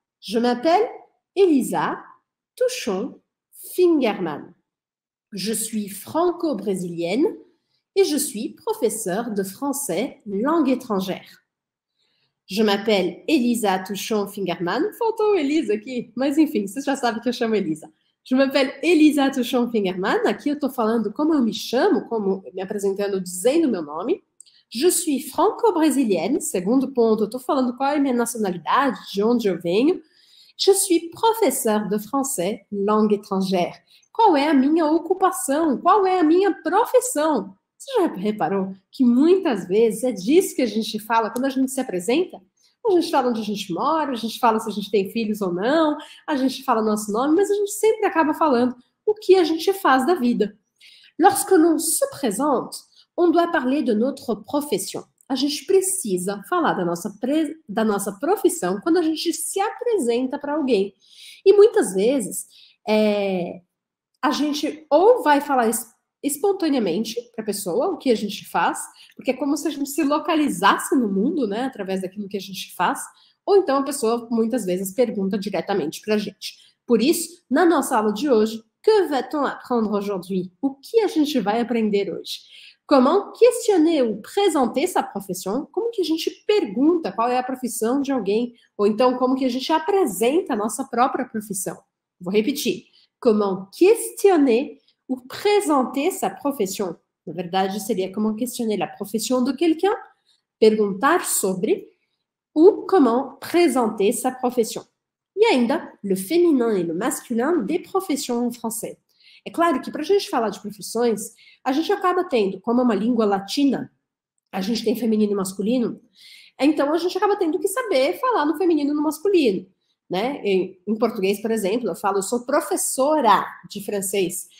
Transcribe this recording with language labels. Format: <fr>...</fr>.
<fr>Je m'appelle Elisa Touchon Fingerman. Je suis franco-brésilienne et je suis professeure de français langue étrangère. Je m'appelle Elisa Touchon Fingerman.</fr> <pt>Faltou Elisa aqui, mas enfim, você já sabe que eu chamo Elisa.</pt> <fr>Je m'appelle Elisa Touchon Fingerman.</fr> <pt>Aqui eu estou falando como eu me chamo, como me apresentando, dizendo meu nome.</pt> <fr>Je suis franco-brésilienne.</fr> <pt>Segundo ponto, eu estou falando qual é a minha nacionalidade, de onde eu venho.</pt> <fr>Je suis professeur de français, langue étrangère.</fr> <pt>Qual é a minha ocupação? Qual é a minha profissão? Você já reparou que muitas vezes é disso que a gente fala quando a gente se apresenta? A gente fala onde a gente mora, a gente fala se a gente tem filhos ou não, a gente fala nosso nome, mas a gente sempre acaba falando o que a gente faz da vida.</pt> <fr>Lorsque l'on se présente, on doit parler de notre profession.</fr> <pt>A gente precisa falar da nossa profissão quando a gente se apresenta para alguém. E muitas vezes a gente ou vai falar isso espontaneamente para a pessoa, o que a gente faz, porque é como se a gente se localizasse no mundo, né, através daquilo que a gente faz, ou então a pessoa muitas vezes pergunta diretamente para a gente. Por isso, na nossa aula de hoje,</pt> <fr>que va-t-on apprendre aujourd'hui?</fr> <pt>O que a gente vai aprender hoje?</pt> <fr>Comment questionner ou présenter sa profession?</fr> <pt>Como que a gente pergunta qual é a profissão de alguém? Ou então, como que a gente apresenta a nossa própria profissão? Vou repetir.</pt> <fr>Comment questionner ou présenter sa profession.</fr> <pt>Na verdade, seria como</pt> <fr>questionner la profession de quelqu'un,</fr> <pt>perguntar sobre, ou</pt> <fr>comment présenter sa profession.</fr> <pt>E ainda,</pt> <fr>le féminin et le masculin des professions en français.</fr> <pt>É claro que, para a gente falar de profissões, a gente acaba tendo, como é uma língua latina, a gente tem feminino e masculino, então a gente acaba tendo que saber falar no feminino e no masculino. Né? Em português, por exemplo, eu falo, eu sou professora de francês.</pt>